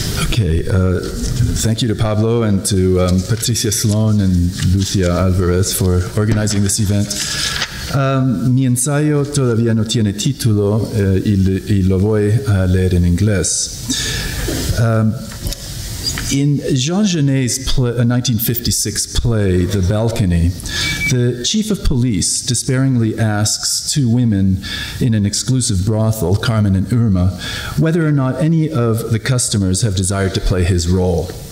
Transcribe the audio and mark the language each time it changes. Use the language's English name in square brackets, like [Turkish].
[English] Okay, thank you to Pablo and to Patricia Sloan and Lucia Alvarez for organizing this event. [Spanish] Mi ensayo todavía no tiene título y lo voy a leer en inglés. [English] In Jean Genet's 1956 play, The Balcony, the chief of police despairingly asks two women in an exclusive brothel, Carmen and Irma, whether or not any of the customers have desired to play his role.